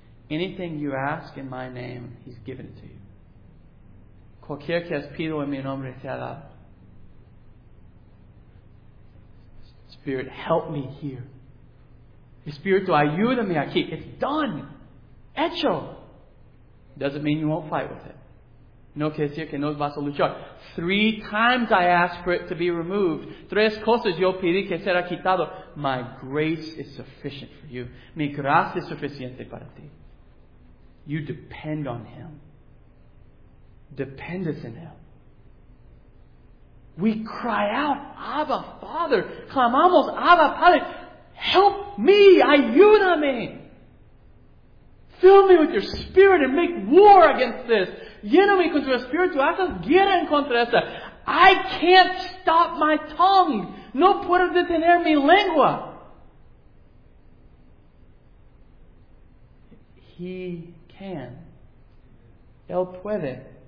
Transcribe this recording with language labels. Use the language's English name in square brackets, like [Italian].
[English] Anything you ask in my name, he's given it to you. [Spanish] Cualquier que has pido en mi nombre te ha dado. [English] Spirit, help me here. [Spanish] Espíritu, ayúdame aquí. [English] It's done. Hecho. Doesn't mean you won't fight with it. [Spanish] No quiere decir que no vas a luchar. [English] Three times I asked for it to be removed. [Spanish] Tres cosas yo pedí que será quitado. [English] My grace is sufficient for you. [Spanish] Mi gracia es suficiente para ti. [English] You depend on Him. Dependence in Him. We cry out, Abba, Father. [Spanish] Clamamos, Abba, Padre. [English] Help me, ayúdame. Fill me with your spirit and make war against this. [Spanish] Lléname con tu espíritu, haz guerra en contra esta. [English] I can't stop my tongue. [Spanish] No puedo detener mi lengua. He can. Él puede.